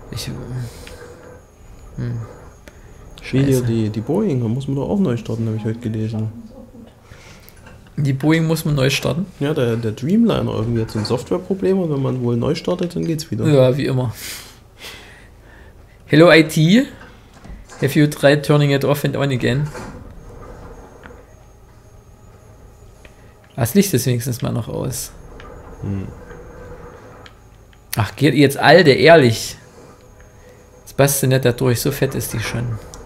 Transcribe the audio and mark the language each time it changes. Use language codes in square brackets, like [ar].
[de] Ich. Wie hier die Boeing, da muss man doch auch neu starten, habe ich heute gelesen. Die Boeing muss man neu starten. Ja, der Dreamliner irgendwie hat so ein Softwareproblem und wenn man wohl neu startet, dann geht's wieder. Ja, wie immer. [en] Hello IT. Have you tried turning it off and on again? [de] Das Licht ist wenigstens mal noch aus. Hm. Ach, geht jetzt Alde, ehrlich. Jetzt passt sie nicht da durch, so fett ist die schon.